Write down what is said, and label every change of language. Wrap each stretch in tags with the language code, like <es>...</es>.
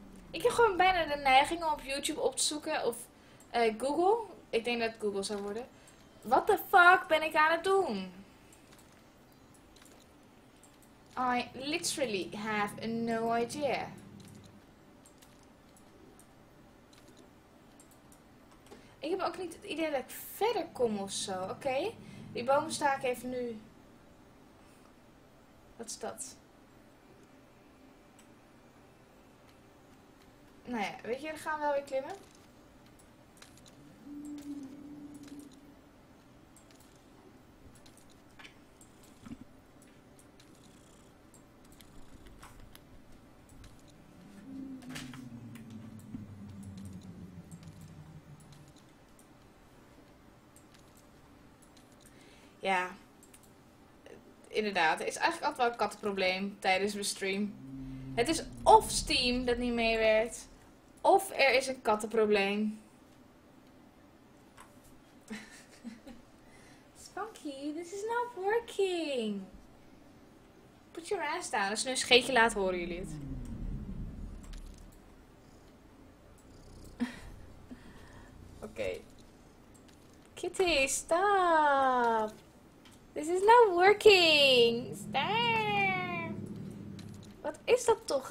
<nl>Ik heb gewoon bijna de neiging om op YouTube op te zoeken of Google. Ik denk dat het Google zou worden.</nl> <en>What the fuck</en> <nl>ben ik aan het doen?</nl> <en>I literally have no idea.</en> <nl>Ik heb ook niet het idee dat ik verder kom of zo. Oké. Die boom sta ik even nu. Wat is dat? Nou ja, weet je, dan gaan we wel weer klimmen. Ja, inderdaad. Het is eigenlijk altijd wel een kattenprobleem tijdens mijn stream. Het is of Steam dat niet meewerkt, of er is een kattenprobleem.</nl> <en>Spunky, this is not working. Put your ass down.</en> <nl>Dus nu een scheetje laat horen jullie het.</nl> <en>Oké. Kitty, stop. This is not working! Stop!</en> <nl>Wat is dat toch?</nl>